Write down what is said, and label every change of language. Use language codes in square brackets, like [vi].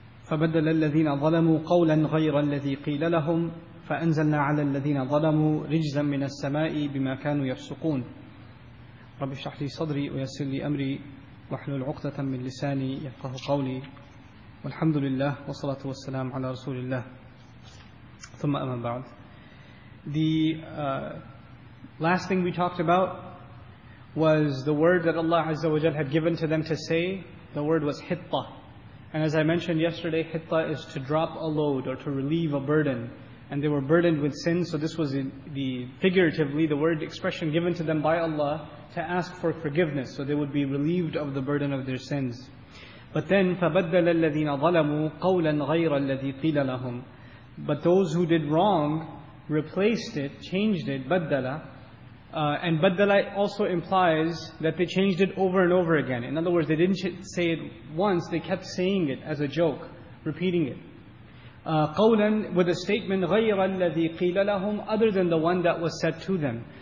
[ar] فبدل الذين ظلموا قولا غير الذي قيل لهم فأنزلنا على الذين ظلموا رجزا من السماء بما كانوا يفسقون رب اشرح لي صدري ويسر لي أمري واحلل عقدة من لساني يفقه قولي والحمد لله والصلاة والسلام على رسول الله. [en] The last thing we talked about was the word that Allah Azza wa Jal had given to them to say. The word was hitta. And as I mentioned yesterday, hitta is to drop a load or to relieve a burden. And they were burdened with sin, so this was figuratively the word expression given to them by Allah to ask for forgiveness, so they would be relieved of the burden of their sins. [ar] But then, فَبَدَّلَ الَّذِينَ ظَلَمُوا قَوْلًا غَيْرَ الَّذِي قِيلَ لَهُمْ. [en] But those who did wrong replaced it, changed it, baddala. And baddala also implies that they changed it over and over again. In other words, they didn't say it once, they kept saying it as a joke, repeating it. Qawlan, with a statement, غَيْرَ الَّذِي قِيلَ لَهُمْ, other than the one that was said to them.